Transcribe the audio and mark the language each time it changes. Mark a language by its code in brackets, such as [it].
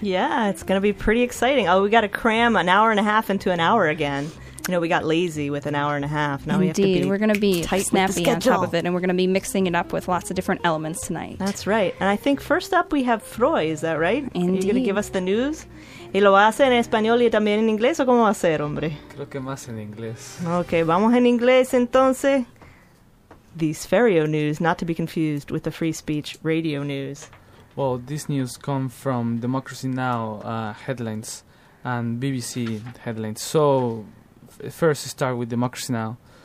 [en] Yeah, it's going to be pretty exciting. Oh, we got to cram an hour and a half into an hour again. You know, we got lazy with an hour and a half. Now indeed, we have to be, we're going to be snappy on top of it, and we're going to be mixing it up with lots of different elements tonight. That's right. And I think first up we have Froy, is that right? Indeed. Are you going to give us the news? [es] ¿Y lo va a hacer en español y también en inglés, o cómo va a ser, hombre? Creo que más en inglés. Okay, vamos en inglés entonces. [en] The Sverio news, not to be confused with the free speech radio news. Well, this news comes from Democracy Now! Headlines and BBC headlines. So first, start with Democracy Now!